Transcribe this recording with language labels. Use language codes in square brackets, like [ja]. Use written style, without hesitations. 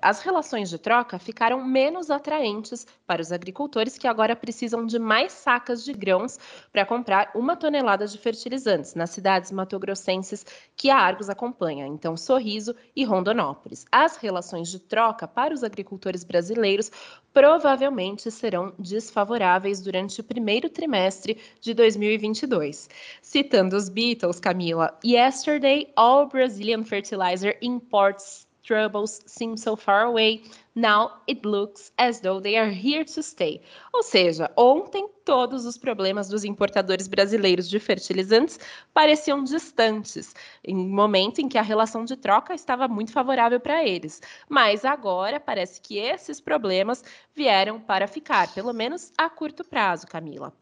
[pt] As relações de troca ficaram menos atraentes para os agricultores que agora precisam de mais sacas de grãos para comprar uma tonelada de fertilizantes nas cidades matogrossenses que a Argos acompanha, então Sorriso e Rondonópolis. As relações de troca para os agricultores brasileiros provavelmente serão desfavoráveis durante o primeiro trimestre de 2022. Citando os Beatles, Camila, [en] "Yesterday all Brazilian fertilizer imports troubles seem so far away, now it looks as though they are here to stay." [pt] Ou seja, ontem todos os problemas dos importadores brasileiros de fertilizantes pareciam distantes, em um momento em que a relação de troca estava muito favorável para eles. Mas agora parece que esses problemas vieram para ficar, pelo menos a curto prazo, Camila.